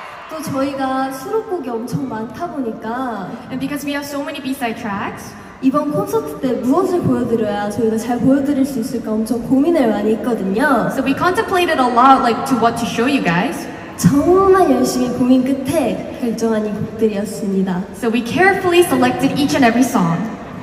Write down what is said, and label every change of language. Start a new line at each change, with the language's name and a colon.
Korean: 또 저희가 수록곡이 엄청 많다 보니까
English: And because we have so many B-side tracks
Korean: 이번 콘서트 때 무엇을 보여드려야 저희가 잘 보여드릴 수 있을까 엄청 고민을 많이 했거든요.
English: So we contemplated a lot like to what to show you guys.
Korean: 정말 열심히 고민 끝에 결정한 이 곡들이었습니다.
English: So we carefully selected each and every song.